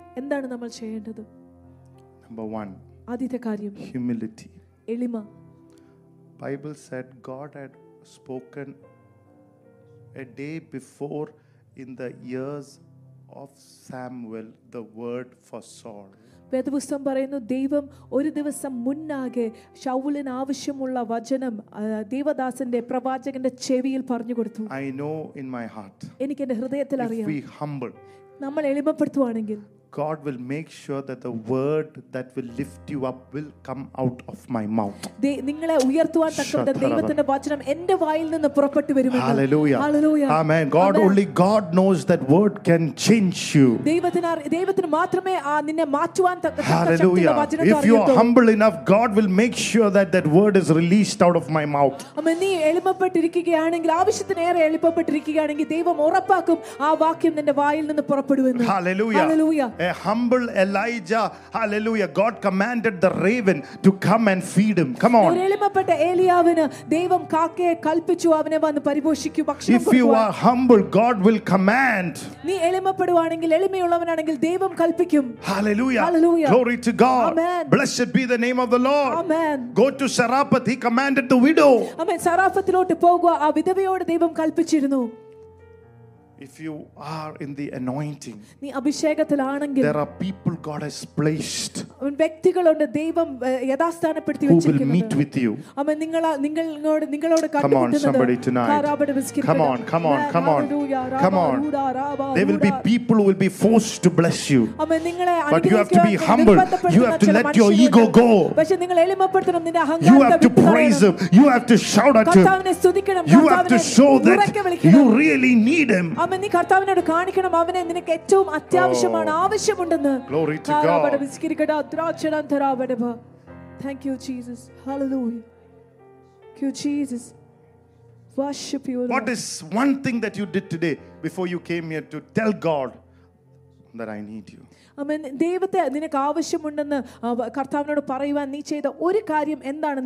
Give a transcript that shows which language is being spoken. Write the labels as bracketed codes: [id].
[ml] എന്താണ് നമ്മൾ ചെയ്യേണ്ടത്? [en] Number 1. [ml] ആദ്യത്തെ കാര്യം [en] humility. [ml] എളിമ. [en] Bible said God had spoken a day before in the ears of Samuel the word for Saul. [ml] വേദപുസ്തകം പറയുന്നു ദൈവം ഒരു ദിവസം മുന്നാകെ ശൗലിന് ആവശ്യമുള്ള വചനം ദൈവദാസന്റെ പ്രവാചകന്റെ ചെവിയിൽ പറഞ്ഞു കൊടുത്തു [en] I know in my heart [ml] എനിക്ക് എന്റെ ഹൃദയത്തിൽ അറിയാം [en] if we humble [ml] നമ്മൾ എളിമപ്പെടുത്തുവാണെങ്കിൽ [en] God will make sure that the word that will lift you up will come out of my mouth. [ml] നിങ്ങളെ ഉയർത്തുവാൻ തക്കുന്ന ദൈവത്തിന്റെ വചനം എൻ്റെ വായിൽ നിന്ന് പുറപ്പെട്ടു വരും. [en] Hallelujah. Hallelujah. Amen. God Amen. Only God knows that word can change you. [ml] ദൈവത്തിന് മാത്രമേ ആ നിന്നെ മാറ്റുവാൻ തക്കുന്ന വചനം അറിയൂ. [en] If you are humble enough, God will make sure that that word is released out of my mouth. [ml] അമ്മേ നീ എളിമപ്പെട്ടിരിക്കുകയാണെങ്കിൽ ആവശ്യത്തിനേറെ എളിമപ്പെട്ടിരിക്കുകയാണെങ്കിൽ ദൈവം ഉറപ്പാക്കും ആ വാക്യം നിന്റെ വായിൽ നിന്ന് പുറപ്പെടുവെന്ന്. [en] Hallelujah. Hallelujah. A humble Elijah, hallelujah, God commanded the raven to come and feed him. Come on. [ml] എളിമപ്പെട്ട ഏലിയാവിനെ ദൈവം കാക്കയെ കൽപ്പിച്ചു അവനെ വന്ന് പരിപോഷിക്കു ഭക്ഷണം കൊടുക്കുവാൻ. [en] If you are humble, God will command. [ml] നീ എളിമപ്പെടുവാണെങ്കിൽ എളിമയുള്ളവനാണെങ്കിൽ ദൈവം കൽപ്പിക്കും. [en] Hallelujah. Hallelujah. Glory to God. Amen. Blessed be the name of the Lord. Amen. Go to Sarapath, he commanded the widow. Amen. [ml] സറാഫത്തിലോട്ട് പോകുക ആ വിധവയോട് ദൈവം കൽപ്പിച്ചിരുന്നു. [en] If you are in the anointing, [ml] നീ അഭിഷേകത്തിലാണെങ്കിൽ, [en] there are people God has placed, [ml] വ്യക്തികളുണ്ട് ദൈവം യഥാസ്ഥാനപ്പെടുത്തി വെച്ചിരിക്കുന്നു, [en] who will meet with you. [ml] അമ്മ നിങ്ങളോട് കണ്ടുമുട്ടുന്നു. [en] Come on, there will be people who will be forced to bless you, but you have to be humble. You have to let your ego go. [ml] പക്ഷേ നിങ്ങൾ എളിമപ്പെടുത്തണം നിന്റെ അഹങ്കാരം. [en] You have to praise him, you have to shout at him, [ml] കർത്താവിനെ സ്തുതിക്കണം. [en] You have to show that you really need him. [ml] അമ്മ നീ കർത്താവിനോട് കാണിക്കണം അവനെ നിനക്ക് ഏറ്റവും അത്യാവശ്യമാണ് ആവശ്യമുണ്ടെന്ന്. [en] Glory to God. അവിടെ വിസ്കിരിക്കട ദ്രാക്ഷണം തരാവടവ. Thank you Jesus. Hallelujah. Thank you Jesus. Worship you. What is one thing that you did today before you came here to tell God that I need you? [ml] അമ്മ ദൈവത്തെ നിനക്ക് ആവശ്യമുണ്ടെന്ന് കർത്താവിനോട് പറയുവാൻ നീ ചെയ്ത ഒരു കാര്യം എന്താണ്?